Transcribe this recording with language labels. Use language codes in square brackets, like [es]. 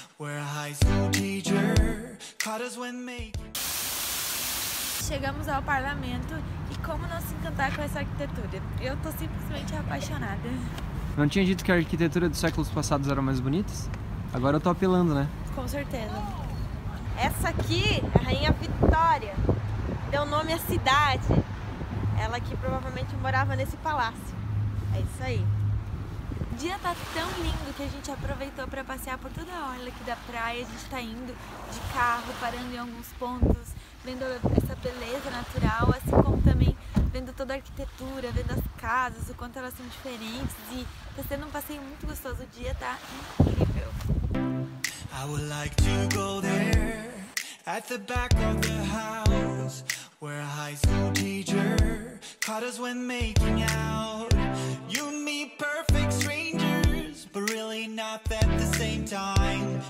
[en] where a high school teacher caught us when making. [pt] Chegamos ao parlamento e como não se encantar com essa arquitetura? Eu tô simplesmente apaixonada. Não tinha dito que a arquitetura dos séculos passados era mais bonita? Agora eu tô apelando, né? Com certeza. Essa aqui, a Rainha Vitória, deu nome à cidade. Ela que provavelmente morava nesse palácio. É isso aí. O dia tá tão lindo que a gente aproveitou para passear por toda a orla aqui da praia. A gente tá indo de carro, parando em alguns pontos, vendo essa beleza natural, assim como também vendo toda a arquitetura, vendo as casas, o quanto elas são diferentes. E tá sendo um passeio muito gostoso. O dia tá incrível. [en] I would like to go there, at the back of the house, where a high school teacher caught us when making out. You and me, perfect strangers, but really not at the same time.